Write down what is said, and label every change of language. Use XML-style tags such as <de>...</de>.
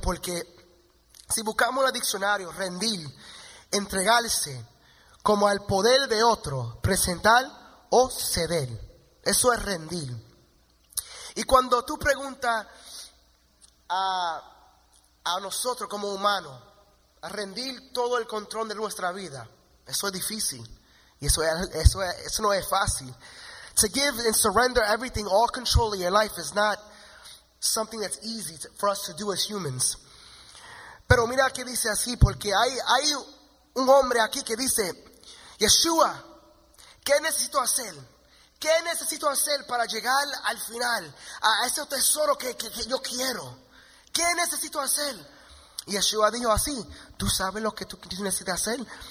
<es>Porque si buscamos en el diccionario, rendir, entregarse, como al poder de otro, presentar o ceder. Eso es rendir. Y cuando tú preguntas a nosotros como humanos, a rendir todo el control de nuestra vida, eso es difícil. Y eso no es fácil.</es> <en>To give and surrender everything, all control of your life, is not something that's easy for us to do as humans.</en> <es>Pero mira que dice así, porque hay un hombre aquí que dice: Yeshua, ¿qué necesito hacer? ¿Qué necesito hacer para llegar al final, a ese tesoro que yo quiero? ¿Qué necesito hacer? Y Yeshua dijo así: tú sabes lo que tú necesitas hacer.</es>